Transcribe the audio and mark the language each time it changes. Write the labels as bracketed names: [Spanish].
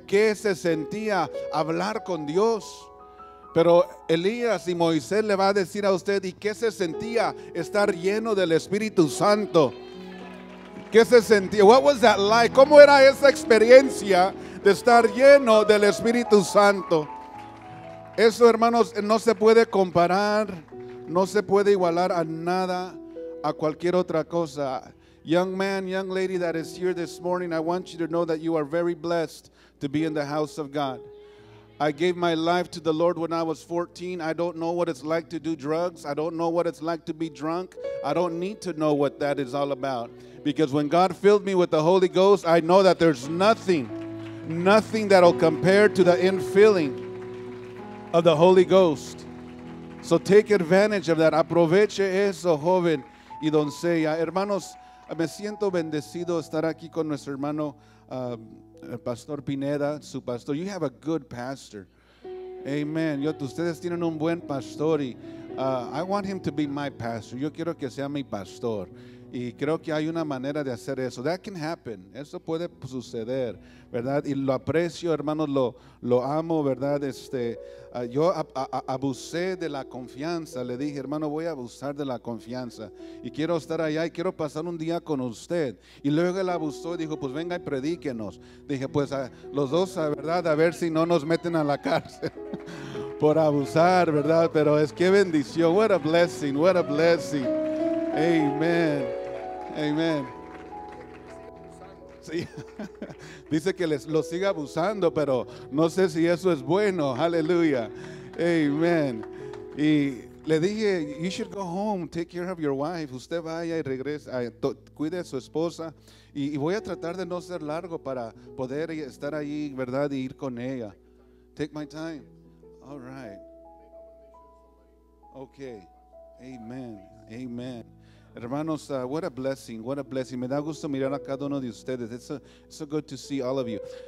[Spanish] ¿Qué se sentía hablar con Dios? Pero Elías y Moisés le va a decir a usted, ¿y qué se sentía estar lleno del Espíritu Santo? ¿Qué se sentía? [English] What was that like? [Spanish] ¿Cómo era esa experiencia de estar lleno del Espíritu Santo? Eso, hermanos, no se puede comparar, no se puede igualar a nada, a cualquier otra cosa. [English] Young man, young lady that is here this morning, I want you to know that you are very blessed to be in the house of God. I gave my life to the Lord when I was 14. I don't know what it's like to do drugs. I don't know what it's like to be drunk. I don't need to know what that is all about. Because when God filled me with the Holy Ghost, I know that there's nothing, nothing that'll compare to the infilling of the Holy Ghost. So take advantage of that. [Spanish] Aproveche eso, joven y doncella. Hermanos, me siento bendecido estar aquí con nuestro hermano Pastor Pineda, su pastor. [English] You have a good pastor. Amen. [Spanish] Ustedes tienen un buen pastor y [English] I want him to be my pastor. [Spanish] Yo quiero que sea mi pastor. Y creo que hay una manera de hacer eso. [English] That can happen. [Spanish] Eso puede suceder, ¿verdad? Y lo aprecio, hermanos, lo amo, ¿verdad? Yo abusé de la confianza. Le dije, hermano, voy a abusar de la confianza. Y quiero estar allá y quiero pasar un día con usted. Y luego él abusó y dijo, pues venga y predíquenos. Dije, pues los dos, ¿verdad? A ver si no nos meten a la cárcel por abusar, ¿verdad? Pero es que bendición. [English] What a blessing, what a blessing. [Spanish] Amén, amén. Sí. Dice que lo siga abusando, pero no sé si eso es bueno. Aleluya, amén. Y le dije, [English] you should go home, take care of your wife. [Spanish] Usted vaya y regrese, cuide a su esposa. Y voy a tratar de no ser largo para poder estar ahí, ¿verdad? Y ir con ella. [English] Take my time. All right. Okay. [Spanish] Amén, amén. Hermanos, [English] what a blessing, what a blessing. [Spanish] Me da gusto mirar a cada uno de ustedes. [English] It's so good to see all of you.